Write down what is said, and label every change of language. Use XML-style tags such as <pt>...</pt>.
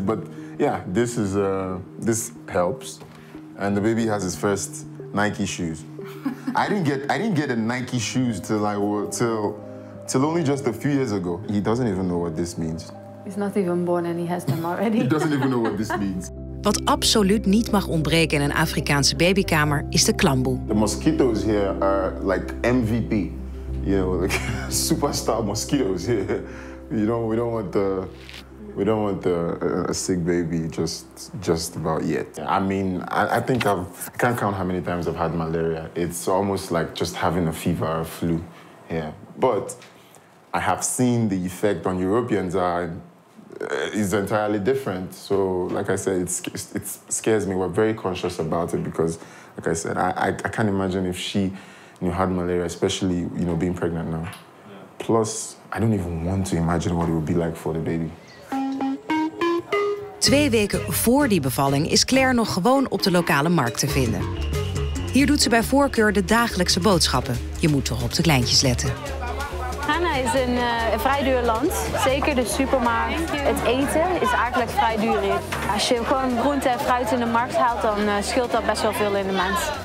<en>But yeah, this helps, and the baby has his first Nike shoes. I didn't get a Nike shoes till only just a few years ago. He doesn't even know what this means. He's not even born and he has them already. He doesn't even know what this means.</en> <nl>Wat absoluut niet mag ontbreken in een Afrikaanse babykamer is de klamboe.</nl> <en>The mosquitoes here are like MVP. You know, like superstar mosquitoes here. We don't want a sick baby just about yet. I mean, I think I can't count how many times I've had malaria. It's almost like just having a fever or a flu here. But I have seen the effect on Europeans is entirely different. So, like I said, it scares me. We're very conscious about it because, like I said, I can't imagine if she had malaria, especially, you know, being pregnant now. Yeah. Plus, I don't even want to imagine what it would be like for the baby.</en> <nl>2 weken voor die bevalling is Claire nog gewoon op de lokale markt te vinden. Hier doet ze bij voorkeur de dagelijkse boodschappen. Je moet toch op de kleintjes letten. Ghana is een vrij duur land. Zeker de supermarkt. Het eten is eigenlijk vrij duur hier. Als je gewoon groente en fruit in de markt haalt, dan scheelt dat best wel veel in de maand.</nl>